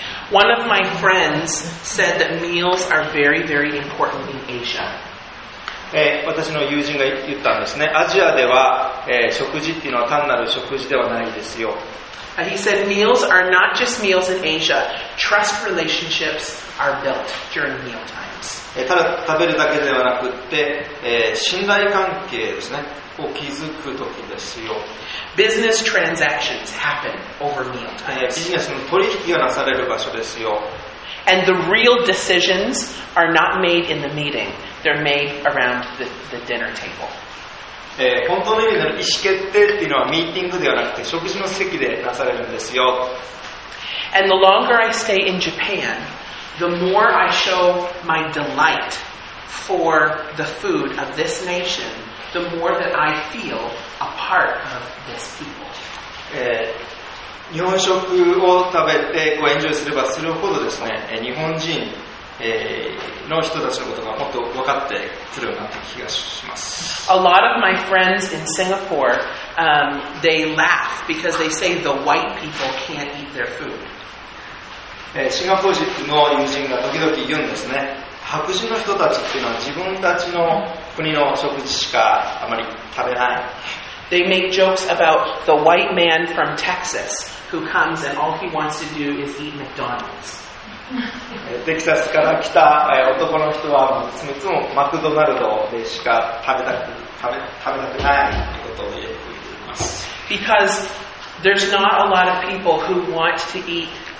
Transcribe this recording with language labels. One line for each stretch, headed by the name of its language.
English: One of my friends said that meals are very, very important in Asia.
Japanese: 私の友人が言ったんですね。アジアでは、食事っていうのは単なる食事ではないですよ。
English: He said meals are not just meals in Asia. Trust relationships are built during meal time.
Japanese: ただ食べるだけではなくって、信頼関係ですね、を築くときですよ。
English: Business transactions happen over meal times.
Japanese: ビジネスの取引がなされる場所ですよ。
English: And the real decisions are not made in the meeting. They're made around the dinner table.
Japanese: 本当の意味での意思決定っていうのはミーティングではなくて食事の席でなされるんですよ。
English: And the longer I stay in Japan,The more I show my delight for the food of this nation, the more that I feel a part of this people.
Japanese: 日本食を食べてこうエンジョイすればするほどですね、日本人、の人たちのことがもっと分かってくるようになった気がします。
English: A lot of my friends in Singapore, they laugh because they say the white people can't eat their food.
Japanese: シンガポールの友人が時々言うんですね。白人の人たちっていうのは自分たちの国の食事しかあまり食べない。
English: They make jokes about the white man from Texas who comes and all he wants to do is eat McDonald's.
Japanese: テキサスから来た男の人はいつもいつもマクドナルドでしか食べたくないってことをよく言います。
English: Because there's not a lot of people who want to eat.